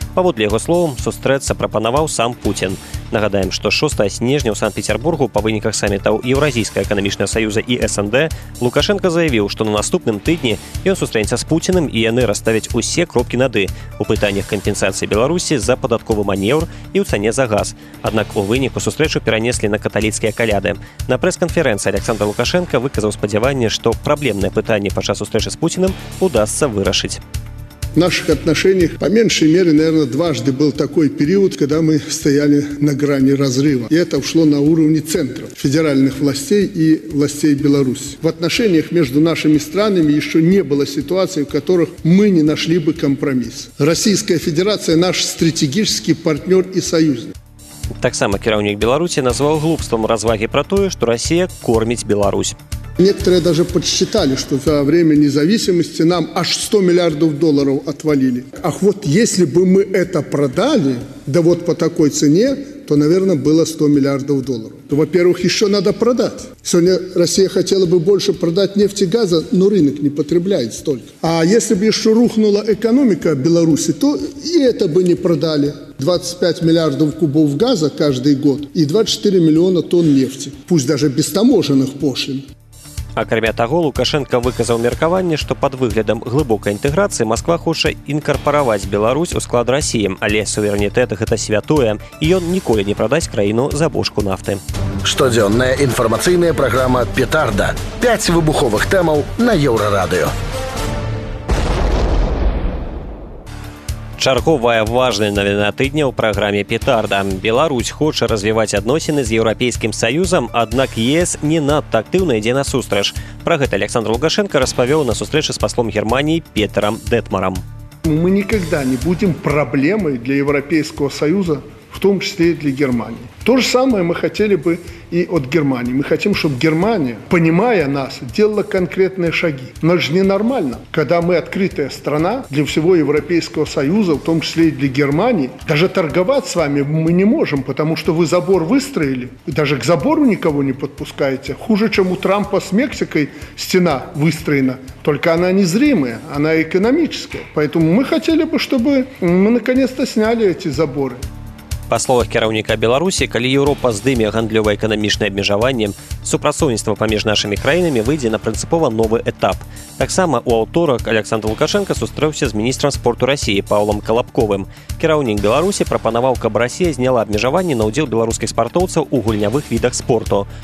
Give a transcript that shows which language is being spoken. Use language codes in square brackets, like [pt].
[be] Паводле яго словам, сустрэцца прапанаваў сам Пуцін. Нагадаем, што 6 снежня ў Санкт-Петербургу па выніках самітаў Еўразійскага эканамічнага саюза і СНД Лукашенко заявіў, што на наступным тыдні ён сустрэнецца з Пуціным і яны расставяць усе кропкі над «і» у пытаннях кампенсацыі Беларусі за падатковы манеўр і ў цане за газ. Аднак у выніку сустрэчу перанеслі на каталіцкія каляды. На прэс-канферэнцыі Александр Лукашенко выказаў спадзяванне, што праблемныя пытанні падчас сустрэчы з Пуціным удастся вырашыць. [ru] В наших отношениях, по меньшей мере, наверное, дважды был такой период, когда мы стояли на грани разрыва. И это ушло на уровне центров, федеральных властей и властей Беларуси. В отношениях между нашими странами еще не было ситуаций, в которых мы не нашли бы компромисс. Российская Федерация – наш стратегический партнер и союзник. [be] Так само керовник Беларуси назвал глупством разваги про то, что Россия кормит Беларусь. [ru] Некоторые даже подсчитали, что за время независимости нам аж 100 миллиардов долларов отвалили. Ах вот если бы мы это продали, да вот по такой цене, то, наверное, было 100 миллиардов долларов. То, во-первых, еще надо продать. Сегодня Россия хотела бы больше продать нефти и газа, но рынок не потребляет столько. А если бы еще рухнула экономика Беларуси, то и это бы не продали. 25 миллиардов кубов газа каждый год и 24 миллиона тонн нефти, пусть даже без таможенных пошлин. [be] Акрамя таго, Лукашэнка выказаў меркаванне, што пад выглядам глыбокай інтэграцыі Масква хоча інкарпараваць Беларусь у склад Расіі, але суверэнітэт гэта святое, і ён ніколі не прадасць краіну за бочку нафты. Штодзённая інфармацыйная праграма «Петарда». 5 выбуховых тэмаў на Еўрарадыё. Чарговая важная навіна тыдня ў праграме «Петарда». Беларусь хоча развіваць адносіны з Еўрапейскім саюзам, аднак ЕС не надта актыўна ідзе насустрэч. Пра гэта Александр Лукашэнка распавёў на сустрэчы з паслом Германіі Петэрам Дэтмарам. [ru] Мы никогда не будем проблемой для Европейского Союза, в том числе и для Германии. То же самое мы хотели бы и от Германии. Мы хотим, чтобы Германия, понимая нас, делала конкретные шаги. Но это же ненормально, когда мы открытая страна для всего Европейского Союза, в том числе и для Германии. Даже торговать с вами мы не можем, потому что вы забор выстроили, и даже к забору никого не подпускаете. Хуже, чем у Трампа с Мексикой стена выстроена, только она незримая, она экономическая. Поэтому мы хотели бы, чтобы мы наконец-то сняли эти заборы. [be] Па словах кіраўніка Беларусі, калі Еўропа здыме гандлёва-эканамічныя абмежаванні, супрацоўніцтва паміж нашымі краінамі выйдзе на прынцыпова новы этап. Таксама ў аўторак Александр Лукашэнка сустрэўся з міністрам спорту Расіі Паўлам Калабковым. Кіраўнік Беларусі прапанаваў, каб Расія зняла абмежаванні на ўдзел беларускіх спартоўцаў у гульнявых відах спорту.